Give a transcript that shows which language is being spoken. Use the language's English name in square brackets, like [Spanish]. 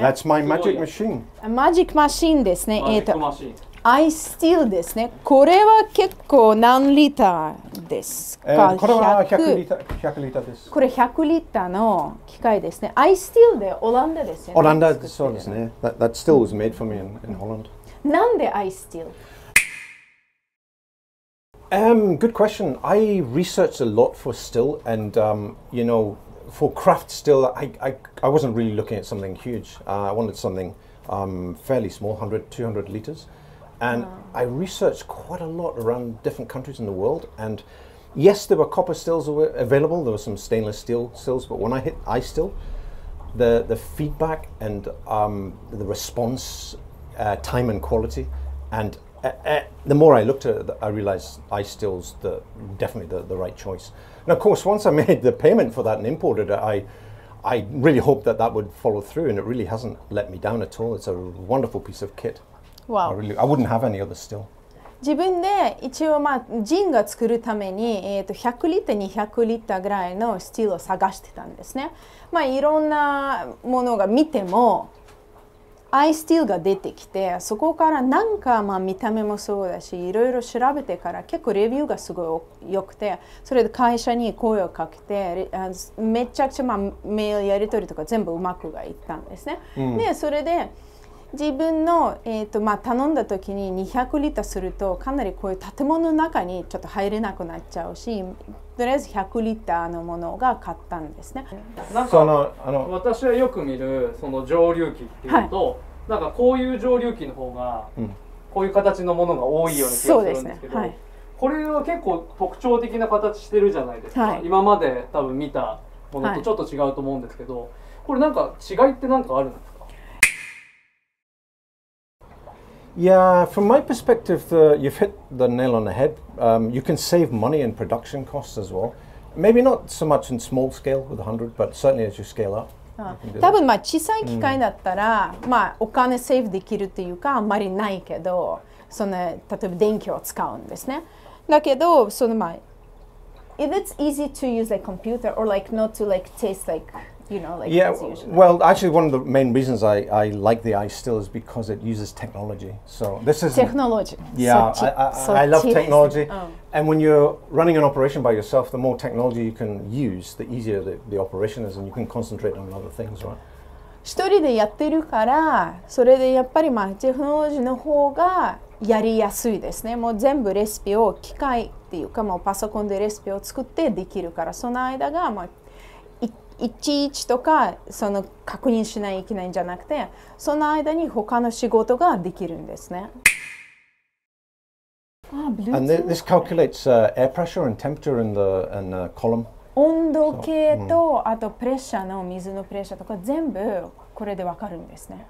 [English] That's my magic machine. [Japanese] マジックマシンですね。マジックマシン。アイスティールですね。これは結構何リッターですか？これは100リッターです。これ100リッターの機械ですね。アイスティールでオランダですよね。オランダ、そうですね。 [English] That still was made for me in Holland. [Japanese] なんでアイスティール？ [English] Good question. I researched a lot for still, and you know, for craft still, I wasn't really looking at something huge. I wanted something fairly small, 100, 200 liters. And I researched quite a lot around different countries in the world. And yes, there were copper stills available. There were some stainless steel stills. But when I hit ice still, the feedback and the response, time and quality, and the more I looked at it, I realized ice steel's definitely the right choice. And of course, once I made the payment for that and imported it, I really hoped that would follow through, and it really hasn't let me down at all. It's a wonderful piece of kit. Wow. I wouldn't have any other steel. [Japanese] 自分で一応、まあ、ジンが作るために、100リッター、200リッターぐらいのスチールを探してたんですね。まあ、いろんなものが見てもアイスティールが出てきて、そこからなんか、まあ、見た目もそうだし、いろいろ調べてから結構レビューがすごい良くて、それで会社に声をかけて、めちゃくちゃ、まあ、メールやり取りとか全部うまくがいったんですね。うん、でそれで自分の、まあ、頼んだ時に200リッターするとかなりこういう建物の中にちょっと入れなくなっちゃうし、とりあえず100リッターのものが買ったんですね。なんかあの私はよく見るその蒸留機っていうと、はい、なんかこういう蒸留機の方がこういう形のものが多いような気がするんですけど、はい、これは結構特徴的な形してるじゃないですか、はい、今まで多分見たものとちょっと違うと思うんですけど、はい、これなんか違いって何かあるんですか？ [English] Yeah, from my perspective, you've hit the nail on the head. You can save money in production costs as well. Maybe not so much in small scale with 100, but certainly as you scale up. [Japanese] たぶんまあ小さい機械だったらまあお金セーブできるっていうかあんまりないけど、その例えば電気を使うんですね。だけどそのまあ [English] if it's easy to use a computer or like not to like taste like you know like yeah well actually one of the main reasons I like the ice still is because it uses technology. So this is technology. Yeah, I love technology. And when you're running an operation by yourself, the more technology you can use, the easier the operation is, and you can concentrate on other things, right? [Japanese] 一人でやってるから、それでやっぱりまあテクノロジーの方がやりやすいですね。もう全部レシピを機械っていうか、もうパソコンでレシピを作ってできるから、その間がまあいちいちとかその確認しないといけないんじゃなくて、その間に他の仕事ができるんですね。 [English] Ah, and this calculates air pressure and temperature in the column. [Japanese] 温度計と、so, あとプレッシャーの水のプレッシャーとか全部これでわかるんですね。